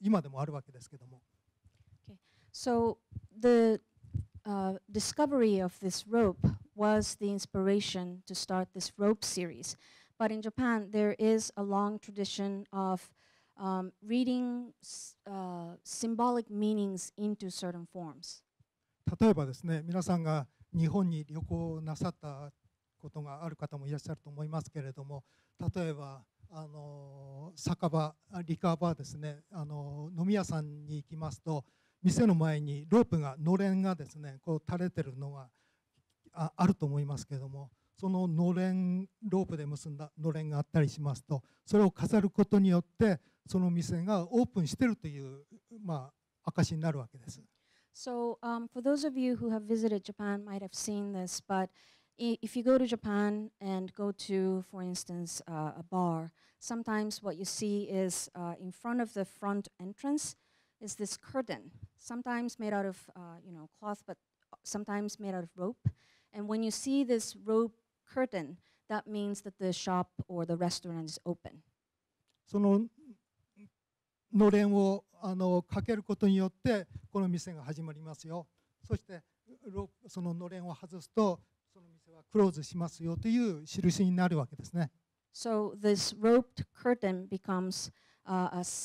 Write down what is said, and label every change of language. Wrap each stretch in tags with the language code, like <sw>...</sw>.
<ja>今でもあるわけですけども。</ja> <en>Okay. So the discovery of this rope was the inspiration to start this rope series. But in Japan, there is a long tradition of reading symbolic meanings into certain forms.</en> <ja>例えばですね、皆さんが日本に旅行なさったことがある方もいらっしゃると思いますけれども、例えばあの酒場、リカーバーですね、あの飲み屋さんに行きますと、店の前にロープが、のれんがですね、こう垂れてるのが あると思いますけれども、そののれん、ロープで結んだのれんがあったりしますと、それを飾ることによってその店がオープンしているという、まあ、証になるわけです。</ja> <en>So, for those of you who have visited Japan might have seen this, but if you go to Japan and go to, for instance, a bar, sometimes what you see is in front of the front entrance is this curtain, sometimes made out of you know, cloth, but sometimes made out of rope. And when you see this ropeCurtain, that means that the shop or the restaurant is open.</en> <ja>そののれんをあのかけることによってこの店が始まりますよ。そしてそののれんを外すとその店はクローズしますよという印になるわけですね。</ja> <en>So this roped curtain becomes a</en>